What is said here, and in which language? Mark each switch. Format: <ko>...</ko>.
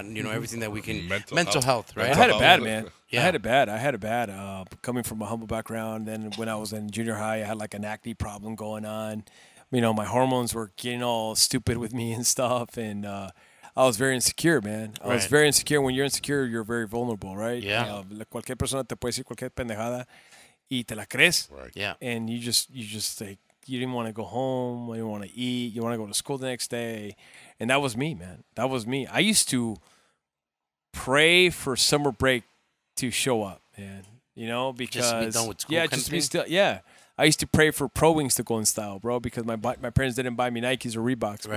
<en>And, you know, everything that we can, mental health, right? I had it bad, man. Coming from a humble background, then when I was in junior high, I had like an acne problem going on. You know, my hormones were getting all stupid with me and stuff, and I was very insecure, man. I was very insecure. When you're insecure, you're very vulnerable, right? Yeah.</en> <es>Cualquier persona te puede decir cualquier pendejada y te la crees.</es> <en>Right. Yeah. And you just like, you didn't want to go home, you didn't want to eat, you want to go to school the next day. And that was me, man. That was me. I used to pray for summer break to show up, man. You know, because... Just to be done with school. Yeah, just to be still. Yeah. I used to pray for Pro Wings to go in style, bro, because my parents didn't buy me Nikes or Reeboks, bro.</en>